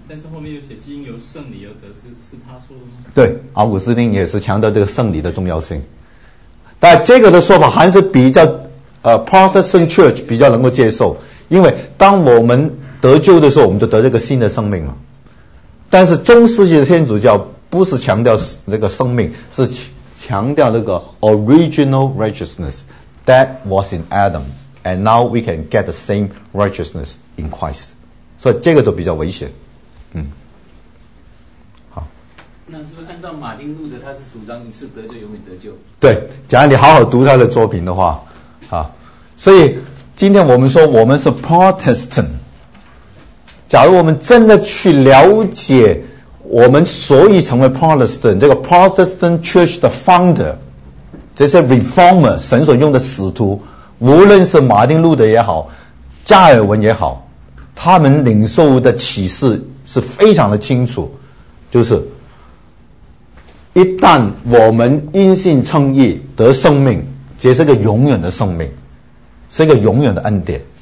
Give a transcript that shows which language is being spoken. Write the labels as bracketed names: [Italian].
[Chinese] 但是后面又写基因由圣礼而得，是他说的吗？对，奥古斯丁也是强调这个圣礼的重要性，但这个的说法还是比较Protestant Church 比较能够接受，因为当我们得救的时候，我们就得这个新的生命嘛。 [English] 但是中世纪的天主教不是强调这个生命，是强调那个 original righteousness that was in Adam, and now we can get the same righteousness in Christ. [Chinese] 所以这个就比较危险。嗯，好。那是不是按照马丁路德，他是主张一次得救永远得救？对，假如你好好读他的作品的话，啊，所以今天我们说我们是 Protestant。假如我们真的去了解我们所以成为 Protestant, 这个 Protestant Church 的 founder, 这些 reformer, 神所用的使徒，无论是马丁路德也好，加尔文也好，他们领受的启示是非常的清楚，就是一旦我们因信称义得生命，这是个永远的生命，是个永远的恩典。